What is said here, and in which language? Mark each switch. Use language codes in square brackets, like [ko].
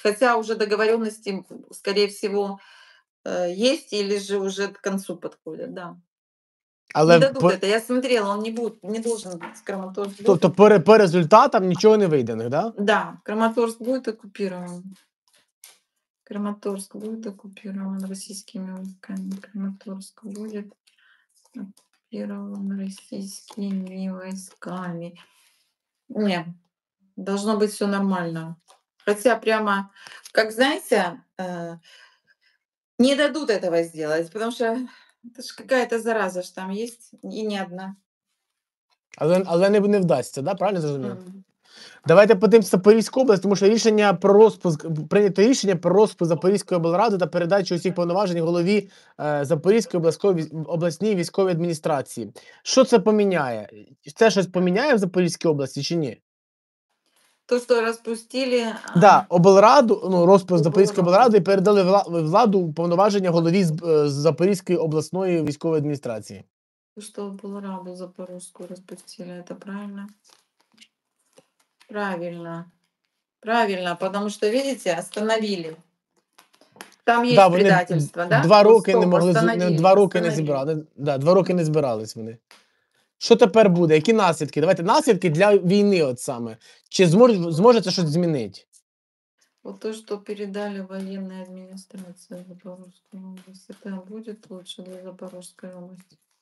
[ru] Хотя уже договоренности, скорее всего, есть или же уже к концу подходят, да. Але не дадут по... это, я смотрела, он не должен быть в Краматорск. [uk] Тобто по результатам нічого не вийдено, да? [ru] Да, Краматорск будет оккупирован. Краматорск будет оккупирован российскими войсками. Краматорск будет оккупирован российскими войсками. Не, должно быть все нормально. Хотя прямо, как знаете, не дадут этого сделать, потому что это ж какая-то зараза ж там есть, и не одна. [uk] Але не вдасться, да? Правильно зрозуміло? Давайте подивимося Запорізьку область, тому що рішення про розпуск, прийнято рішення про розпуск Запорізької облради та передачу усіх повноважень голові Запорізької обласної військової адміністрації. Що це поміняє? Це щось поміняє в Запорізькій області чи ні? То, що розпустили... Да, облраду, ну, розпуск Запорізької облради і передали владу повноваження голові з Запорізької обласної військової адміністрації. Що облраду Запорізьку розпустили, це правильно? Правильно. [ru] Правильно, потому что, видите, остановили. Там есть, да, предательство, да? [uk] Два роки не могли, два роки не збирались вони. Що тепер буде? Які наслідки? Давайте наслідки для війни от саме. Чи зможете щось змінити? От то, що передали воєнна адміністрація Запорізької області, це буде краще для Запорізької області.